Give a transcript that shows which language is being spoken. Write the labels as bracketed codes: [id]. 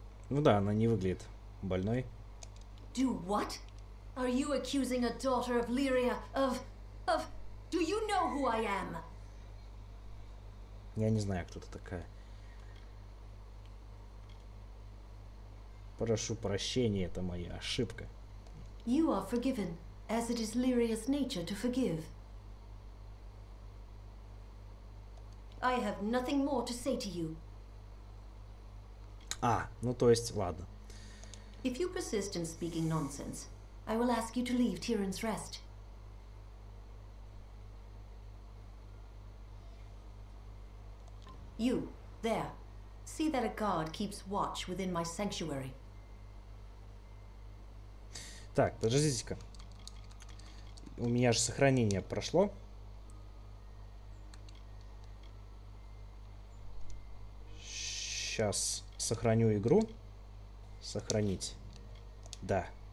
[ru] Ну да, она не выглядит больной. [en] Do what? Are you accusing a daughter of Lyria of... Do you know who I am? [ru] Я не знаю, кто ты такая. Прошу прощения, это моя ошибка. [en] You are forgiven, as it is Lyria's nature to forgive. I have nothing more to say to you. [ru] А, ну то есть, ладно. [en] If you persist in speaking nonsense, I will ask you to leave Tyrion's Rest. You, there. See that a guard keeps watch within my sanctuary. [ru] Так, подождите-ка. У меня же сохранение прошло. Сейчас сохраню игру. Сохранить. Да.